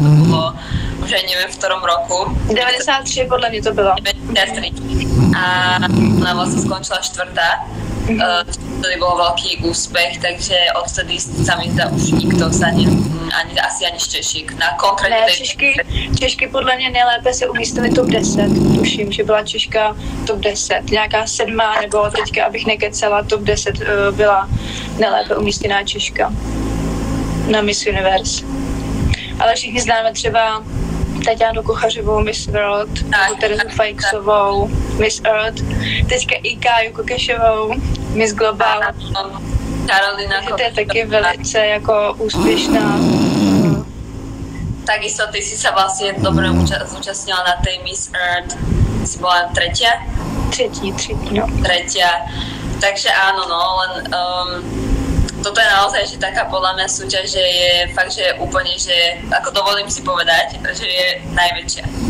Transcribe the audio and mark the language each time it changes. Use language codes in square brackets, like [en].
[sk] To bolo už aj neviem v ktorom roku. 93 podľa mňa to bolo. 93. A ona vlastne skončila štvrtá. Vtedy bol veľký úspech, takže odtedy sa mi zda už nikto sa ani z Češiek na konkrétne tej... [cs] Češky [sk] podľa mňa [cs] nejlépe sa umístili top 10, tuším, že byla Češka top 10, nejaká sedmá, nebo teďka, abych nekecala, top 10 byla nejlépe umístěná Češka. na Miss Universe. Ale všichni známe třeba Tatianu Kuchařovou, Miss World, Terezu Fajksovou, Miss Earth, teďka i Káju Kokešovou, Miss Global. Karolina Kokešová. To je taky velice jako úspěšná. Takisto ty jsi se vlastně dobře zúčastnila na té Miss Earth. Jsi byla třetí? Třetí, no. [sk] Takže ano, no, len toto je naozaj, že taká podľa mňa súťaž, že je fakt, že je úplne, že ako dovolím si povedať, že je najväčšia.